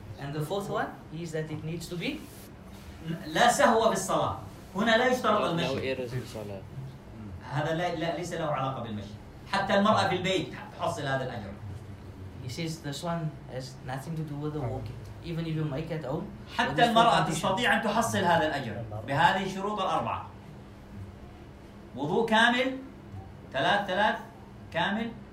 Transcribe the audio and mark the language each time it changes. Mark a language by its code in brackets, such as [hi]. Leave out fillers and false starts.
[en] and the fourth one is that it needs to be [ar] لا سهو في الصلاة. هنا لا يشترط المشي. هذا لا ليس له علاقة بالمشي. حتى المرأة في البيت تحصل هذا الأجر. [en] He says this one has nothing to do with the walking. Even if you make at home. [ar] حتى المرأة تستطيع أن تحصل هذا الأجر بهذه الشروط الأربعة. وضوء كامل ثلاث ثلاث كامل.